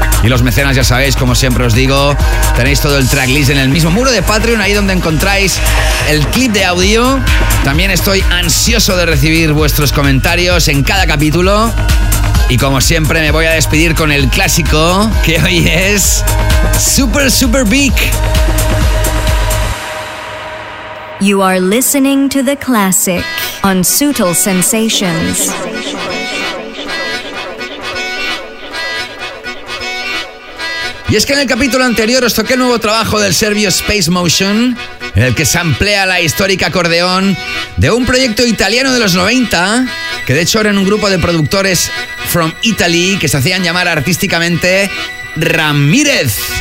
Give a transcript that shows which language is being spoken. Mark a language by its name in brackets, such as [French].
[Spanish] Y los mecenas, ya sabéis, como siempre os digo, tenéis todo el tracklist en el mismo muro de Patreon, ahí donde encontráis el clip de audio. También estoy ansioso de recibir vuestros comentarios en cada capítulo. Y como siempre, me voy a despedir con el clásico, que hoy es Super Super Big. [English] You are listening to the classic on Sutil Sensations. [Spanish] Y es que en el capítulo anterior os toqué el nuevo trabajo del serbio Space Motion, en el que se amplía la histórica acordeón de un proyecto italiano de los 90, que de hecho eran un grupo de productores [English] from Italy [Spanish] que se hacían llamar artísticamente Ramírez.